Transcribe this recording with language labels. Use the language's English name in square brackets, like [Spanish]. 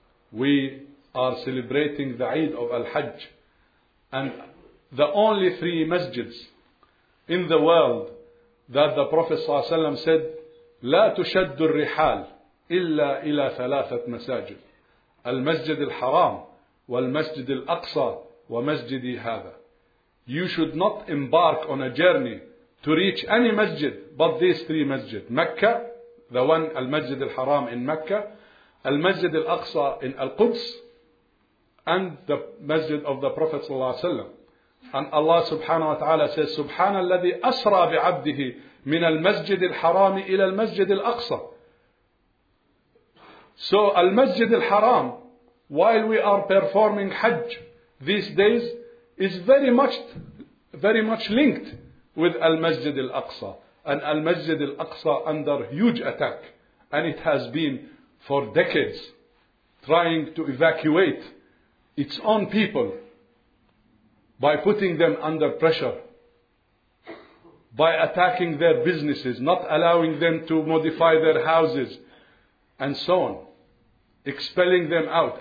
[English] We are celebrating the Eid of Al-Hajj, and the only three masjids in the world that the Prophet ﷺ said, [Arabic] لا تشد الرحال إلا إلى ثلاثة مساجد المسجد الحرام والمسجد الأقصى ومسجد هذا. [English] You should not embark on a journey to reach any masjid but these three masjid. Mecca, the one المسجد الحرام in Mecca, المسجد الأقصى in Al-Quds, and the masjid of the Prophet [Arabic] صلى الله عليه وسلم. [English] And Allah subhanahu wa ta'ala says, [Arabic] سبحان الذي أسرى بعبده من المسجد الحرام إلى المسجد الأقصى. [English] So Al-Masjid Al-Haram, while we are performing Hajj these days, is very much linked with Al-Masjid Al-Aqsa. And Al-Masjid Al-Aqsa under huge attack. And it has been for decades trying to evacuate its own people by putting them under pressure, by attacking their businesses, not allowing them to modify their houses, and so on, expelling them out.